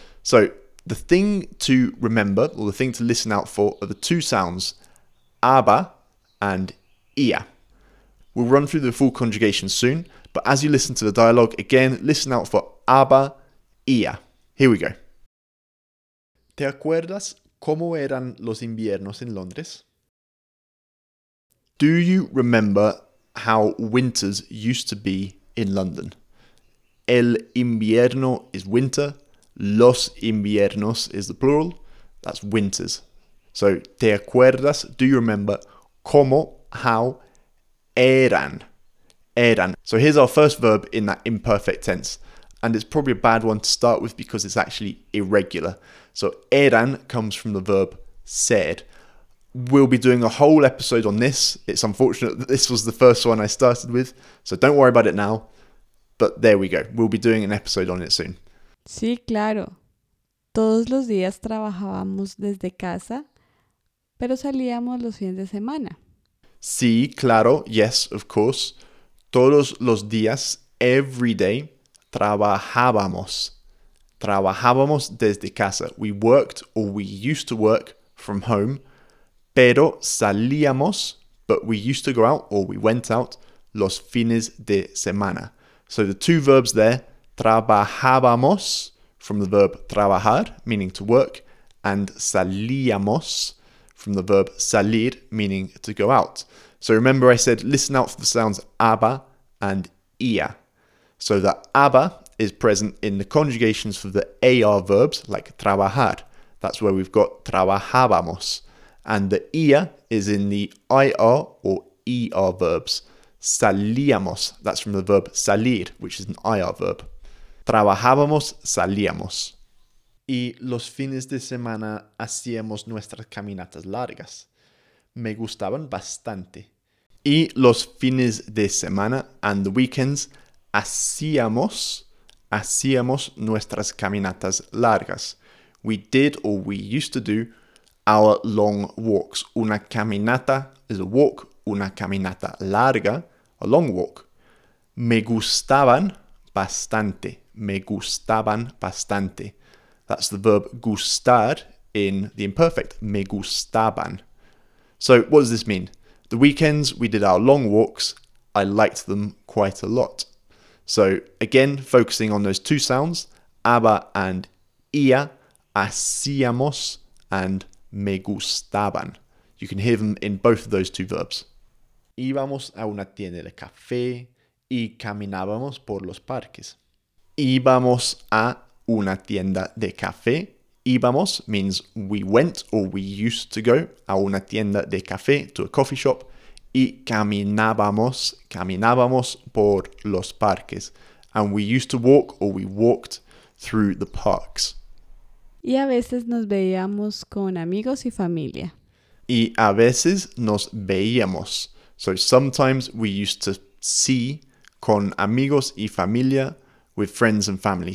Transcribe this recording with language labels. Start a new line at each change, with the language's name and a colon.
English: So the thing to remember, or the thing to listen out for, are the two sounds, aba and ia. We'll run through the full conjugation soon, but as you listen to the dialogue, again, listen out for aba, ia. Here we go.
Spanish: ¿Te acuerdas cómo eran los inviernos en Londres?
English: Do you remember how winters used to be in London?
Spanish: El invierno
English: is winter.
Spanish: Los inviernos
English: is the plural. That's winters. So,
Spanish: ¿te acuerdas?
English: Do you remember cómo, how, eran? Eran. So here's our first verb in that imperfect tense. And it's probably a bad one to start with because it's actually irregular. So eran comes from the verb ser. We'll be doing a whole episode on this. It's unfortunate that this was the first one I started with. So don't worry about it now. But there we go. We'll be doing an episode on it soon.
Spanish: Sí, claro. Todos los días trabajábamos desde casa, pero salíamos los fines de semana. Sí, claro.
English: Yes, of course.
Spanish: Todos los días,
English: every day,
Spanish: trabajábamos. Trabajábamos desde casa.
English: We worked, or we used to work, from home.
Spanish: Pero salíamos,
English: but we used to go out, or we went out,
Spanish: los fines de semana.
English: So the two verbs there, trabajábamos, from the verb trabajar, meaning to work, and salíamos, from the verb salir, meaning to go out. So remember I said, listen out for the sounds aba and ia. So that aba is present in the conjugations for the AR verbs, like trabajar. That's where we've got trabajábamos. And the ia is in the IR or ER verbs. Salíamos, that's from the verb salir, which is an IR verb.
Spanish: Trabajábamos, salíamos. Y los fines de semana hacíamos nuestras caminatas largas. Me gustaban bastante. Y los fines de semana
English: and the weekends
Spanish: hacíamos nuestras caminatas largas.
English: We did or we used to do our long walks.
Spanish: Una caminata
English: is a walk.
Spanish: Una caminata larga,
English: a long walk.
Spanish: Me gustaban bastante. Me gustaban bastante.
English: That's the verb gustar in the imperfect.
Spanish: Me gustaban.
English: So what does this mean? The weekends we did our long walks. I liked them quite a lot. So again, focusing on those two sounds, aba and ia, hacíamos and me gustaban. You can hear them in both of those two verbs.
Spanish: Íbamos a una tienda de café y caminábamos por los parques. Íbamos a una tienda de café.
English: Íbamos means we went or we used to go
Spanish: a una tienda de café,
English: to a coffee shop.
Spanish: Y caminábamos por los parques.
English: And we used to walk or we walked through the parks.
Spanish: Y a veces nos veíamos con amigos y familia. Y a veces nos veíamos.
English: So sometimes we used to see
Spanish: con amigos y familia,
English: with friends and family.